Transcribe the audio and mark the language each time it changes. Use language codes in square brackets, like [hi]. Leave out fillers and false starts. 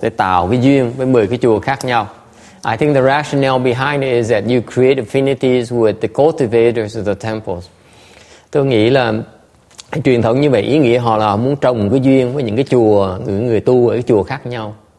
[en] They [vi] tạo cái duyên với 10 cái chùa khác nhau. [en] I think the rationale behind it is that you create affinities with the cultivators of the temples. [vi] Tôi nghĩ là truyền thống như vậy, ý nghĩa họ là muốn trồng cái duyên với những cái chùa, người tu ở cái chùa khác nhau.